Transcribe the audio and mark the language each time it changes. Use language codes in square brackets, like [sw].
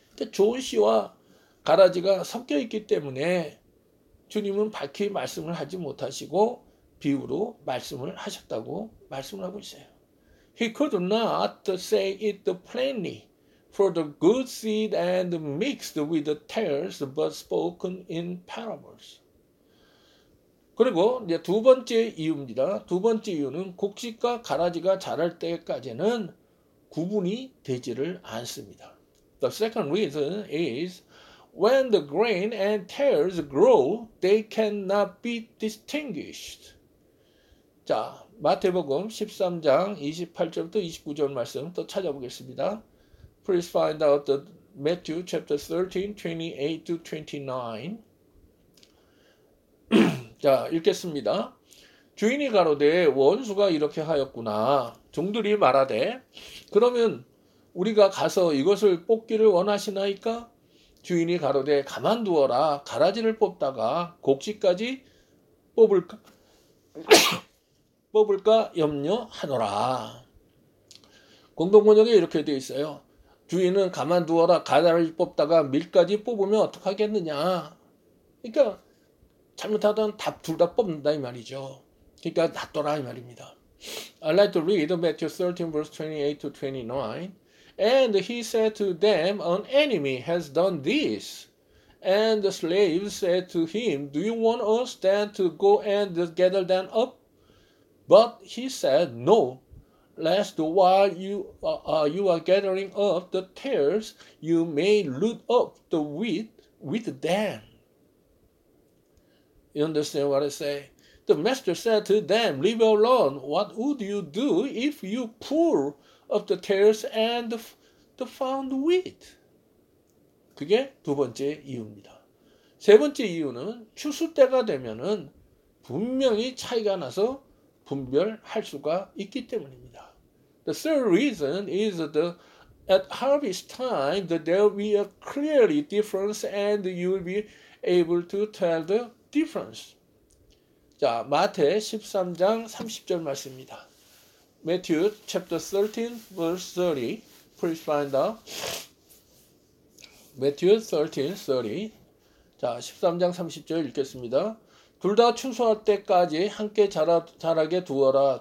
[ko] 좋은 씨와 가라지가 섞여 있기 때문에 주님은 밝히 말씀을 하지 못하시고 비유로 말씀을 하셨다고 말씀을 하고 있어요. [en] He could not say it plainly, for the good seed and mixed with the tares, but spoken in parables. [ko] 그리고 이제 두 번째 이유입니다. 두 번째 이유는 곡식과 가라지가 자랄 때까지는 구분이 되지를 않습니다. [en] The second reason is, when the grain and tares grow, they cannot be distinguished. [ko] 자, 마태복음 13장 28절부터 29절 말씀 또 찾아보겠습니다. [en] Please find out the Matthew chapter 13, 28 to 29. [ko] 자, 읽겠습니다. 주인이 가로되, 원수가 이렇게 하였구나. 종들이 말하되, 그러면 우리가 가서 이것을 뽑기를 원하시나이까? 주인이 가로되, 가만두어라. 가라지를 뽑다가 곡식까지 뽑을까 염려하노라. 공동번역에 이렇게 되어 있어요. 주인은 가만두어라. 가라지 뽑다가 밀까지 뽑으면 어떡하겠느냐. 그러니까 잘못하던 답둘다 뽑는다 이 말이죠. 그러니까 놔둬라 이 말입니다. [en] I'd like to read Matthew 13 verse 28 to 29. And he said to them, "An enemy has done this." And the slaves said to him, "Do you want us then to go and gather them up?" But he said, "No, lest while you are gathering up the tares, you may root up the wheat with them." You understand what I say? The master said to them, "Leave alone. What would you do if you pull up the tares and the found wheat?" [ko] 그게 두 번째 이유입니다. 세 번째 이유는 추수 때가 되면은 분명히 차이가 나서 분별할 수가 있기 때문입니다. [en] The third reason is at harvest time that there will be a clearly difference and you will be able to tell the difference. [ko] 자, 마태 13장 30절 말씀입니다. [en] Matthew chapter 13 verse 30. Please find out. Matthew 13, 30. [ko] 자, 13장 30절 읽겠습니다. 둘다 추수할 때까지 함께 자라게 두어라.